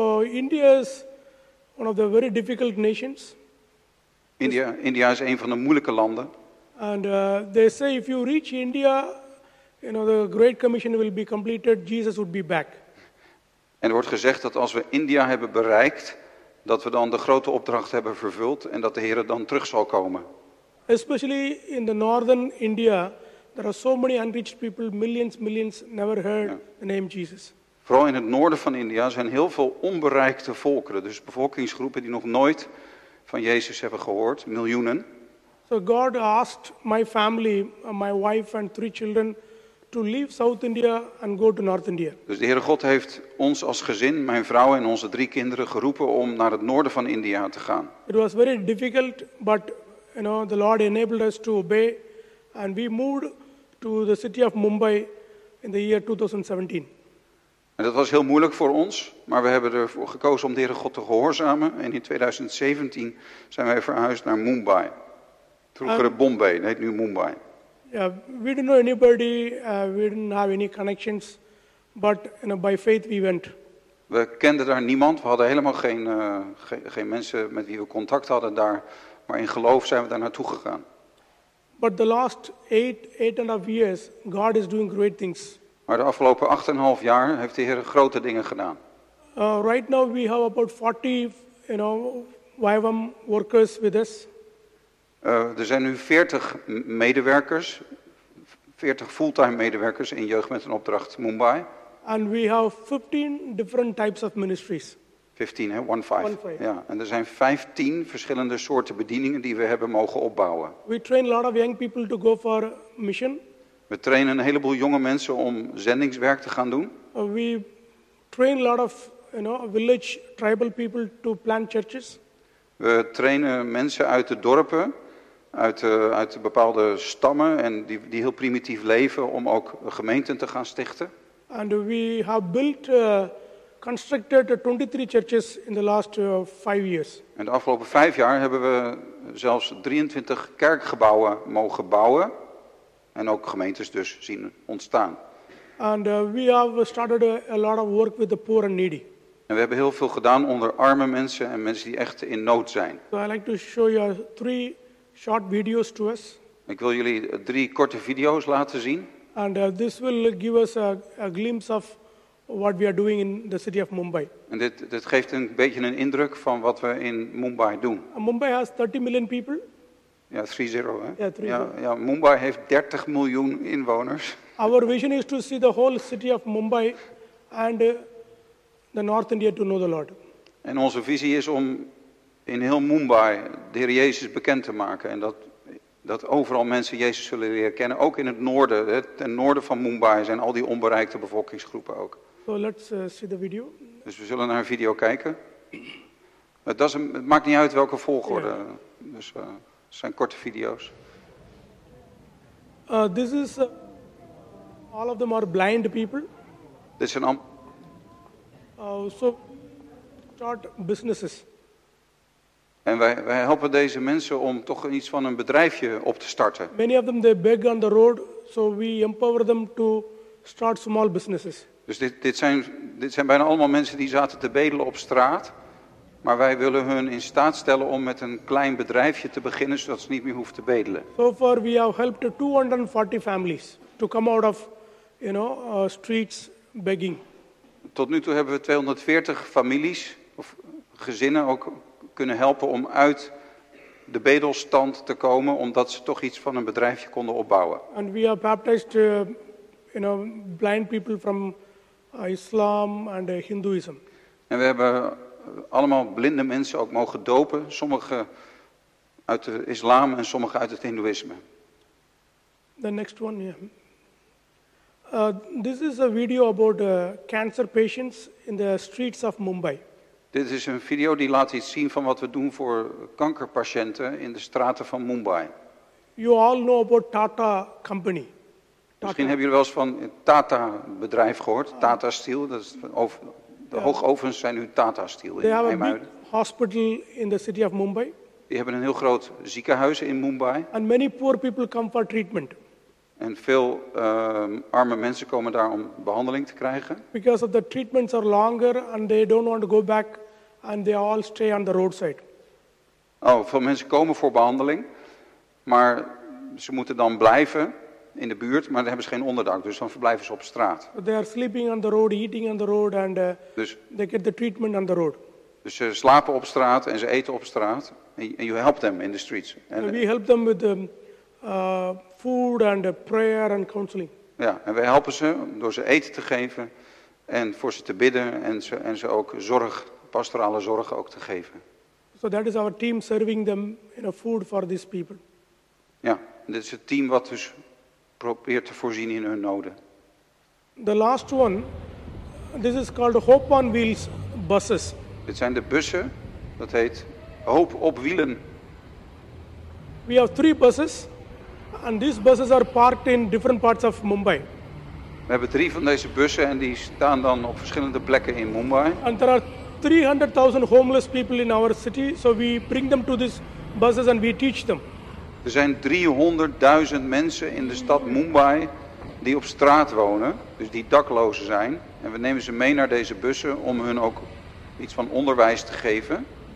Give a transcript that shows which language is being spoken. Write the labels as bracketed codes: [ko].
[en] India is one of the very difficult nations. [nl] India is een van de moeilijke landen. [en] And they say if you reach India, you know, the Great Commission will be completed, Jesus would be back. [nl] En er wordt gezegd dat als we India hebben bereikt, dat we dan de grote opdracht hebben vervuld en dat de Heer dan terug zal komen. [en] Especially in the northern India, there are so many unreached people, millions, millions never heard the name Jesus. [nl] Vooral in het noorden van India zijn heel veel onbereikte volkeren, dus bevolkingsgroepen die nog nooit van Jezus hebben gehoord, miljoenen. [en] So God asked my family, my wife and three children, to leave South India and go to North India. [nl] Dus de Heere God heeft ons als gezin, mijn vrouw en onze drie kinderen, geroepen om naar het noorden van India te gaan. [en] It was very difficult, but you know the Lord enabled us to obey, and we moved to the city of Mumbai in the year 2017. [nl] En dat was heel moeilijk voor ons, maar we hebben ervoor gekozen om de Heere God te gehoorzamen. En in 2017 zijn wij verhuisd naar Mumbai. Vroeger Bombay, dat heet nu Mumbai. [en] Yeah, we didn't know anybody, we didn't have any connections, but you know, by faith we went. [nl] We kenden daar niemand, we hadden helemaal geen mensen met wie we contact hadden daar. Maar in geloof zijn we daar naartoe gegaan. [en] But the last 8.5 years, God is doing great things. [nl] Maar de afgelopen 8.5 jaar heeft de Heer grote dingen gedaan. [en] Right now we have about 40, you know, YWAM workers with us. [nl] Er zijn nu 40 medewerkers, 40 fulltime medewerkers in Jeugd met een Opdracht Mumbai. [en] And we have 15 different types of ministries. [nl] 15, hè? 15. Ja, en er zijn 15 verschillende soorten bedieningen die we hebben mogen opbouwen. [en] We train a lot of young people to go for mission. [nl] We trainen een heleboel jonge mensen om zendingswerk te gaan doen. [en] We train a lot of, you know, village tribal people to plant churches. [nl] We trainen mensen uit de dorpen, uit de bepaalde stammen en die heel primitief leven om ook gemeenten te gaan stichten. [en] And we have built constructed 23 churches in the last 5 years. [nl] En de afgelopen 5 jaar hebben we zelfs 23 kerkgebouwen mogen bouwen. En ook gemeentes dus zien ontstaan. [en] And we have started a lot of work with the poor and needy. [nl] En we hebben heel veel gedaan onder arme mensen en mensen die echt in nood zijn. [en] So I'd like to show you 3 short videos to us. [nl] Ik wil jullie 3 korte video's laten zien. [en] And this will give us a glimpse of what we are doing in the city of Mumbai. [nl] En dit geeft een beetje een indruk van wat we in Mumbai doen. [en] Mumbai has 30 million people. [nl] Ja, 3-0, hè? Ja, 3-0. Ja, Mumbai heeft 30 miljoen inwoners. [en] Our vision is to see the whole city of Mumbai and the North India to know the Lord. [nl] En onze visie is om in heel Mumbai de Heer Jezus bekend te maken. En dat overal mensen Jezus zullen leren kennen. Ook in het noorden, ten noorden van Mumbai zijn al die onbereikte bevolkingsgroepen ook. [en] So let's see the video. [nl] Dus we zullen naar een video kijken. Het maakt niet uit welke volgorde. Yeah. Dus zijn korte video's. [en] This is all of them are blind people. [nl] Dit zijn [en] So start businesses. [nl] En wij helpen deze mensen om toch iets van een bedrijfje op te starten. [en] Many of them they beg on the road, so we empower them to start small businesses. [nl] Dus dit zijn bijna allemaal mensen die zaten te bedelen op straat, maar wij willen hun in staat stellen om met een klein bedrijfje te beginnen, zodat ze niet meer hoeven te bedelen. [en] So far we have helped 240 families to come out of, you know, streets begging. [nl] Tot nu toe hebben we 240 families of gezinnen ook kunnen helpen om uit de bedelstand te komen, omdat ze toch iets van een bedrijfje konden opbouwen. [en] And we have baptized, you know, blind people from Islam and Hinduism. [nl] En we hebben allemaal blinde mensen ook mogen dopen, sommige uit de Islam en sommige uit het Hindoeïsme. [en] The next one, yeah. This is a video about cancer patients in the streets of Mumbai. [nl] Dit is een video die laat iets zien van wat we doen voor kankerpatiënten in de straten van Mumbai. [en] You all know about Tata Company. Tata. [nl] Misschien hebben jullie wel eens van het Tata bedrijf gehoord. Tata Steel. Dat is de hoogovens zijn nu Tata Steel. [en] They have a big hospital in the city of Mumbai. [nl] Die hebben een heel groot ziekenhuis in Mumbai. [en] And many poor people come for treatment. [nl] En veel arme mensen komen daar om behandeling te krijgen. [en] Because of the treatments are longer and they don't want to go back and they all stay on the roadside. [nl] Oh, veel mensen komen voor behandeling, maar ze moeten dan blijven in de buurt, maar dan hebben ze geen onderdak, dus dan verblijven ze op straat. [en] But they are sleeping on the road, eating on the road and they get the treatment on the road. [nl] Dus ze slapen op straat en ze eten op straat en [en] you help them in the streets. And we help them with the food and prayer and counseling. [nl] Ja, en wij helpen ze door ze eten te geven en voor ze te bidden en ze ook zorg, pastorale zorg ook te geven. [en] So that is our team serving them, you know, food for these people. [nl] Ja, dit is het team wat dus probeert te voorzien in hun noden. [en] The last one, this is called Hope on Wheels buses. [nl] Dit zijn de bussen, dat heet Hoop op Wielen. [en] We have 3 buses. And these buses are parked in different parts of Mumbai. [nl] We hebben 3 van deze bussen en die staan dan op verschillende plekken in Mumbai. [en] And there are 300,000 homeless people in our city, so we bring them to these buses and we teach them. [nl] Er zijn 300,000 mensen in de stad Mumbai die op straat wonen, dus die daklozen zijn, en we nemen ze mee naar deze bussen om hun ook iets van onderwijs te geven.